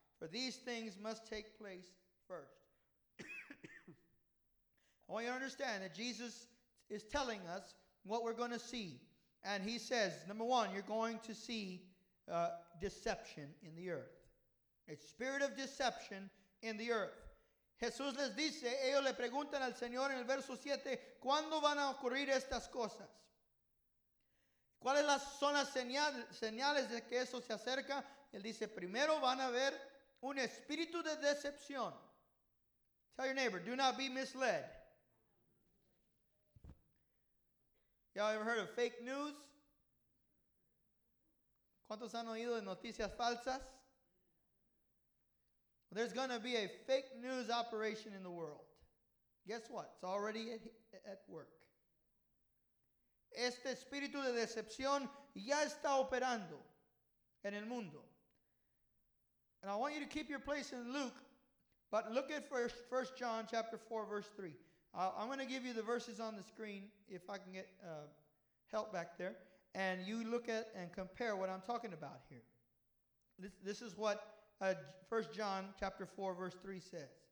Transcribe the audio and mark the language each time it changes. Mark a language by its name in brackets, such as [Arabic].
[English] For these things must take place first." I want you to understand that Jesus is telling us what we're going to see. And he says, number one, you're going to see deception in the earth. A spirit of deception in the earth. [Spanish] Jesús les dice, ellos le preguntan al Señor en el verso 7, ¿cuándo van a ocurrir estas cosas? ¿Cuáles son las señales de que eso se acerca? Él dice, primero van a ver un espíritu de decepción. [English] Tell your neighbor, do not be misled. Y'all ever heard of fake news? [Spanish] ¿Cuántos han oído de noticias falsas? [English] There's going to be a fake news operation in the world. Guess what? It's already at work. [Spanish] Este espíritu de decepción ya está operando en el mundo. [English] And I want you to keep your place in Luke, but look at 1 John chapter 4, verse 3. I'm going to give you the verses on the screen, if I can get help back there. And you look at and compare what I'm talking about here. This is what 1 John chapter 4, verse 3 says.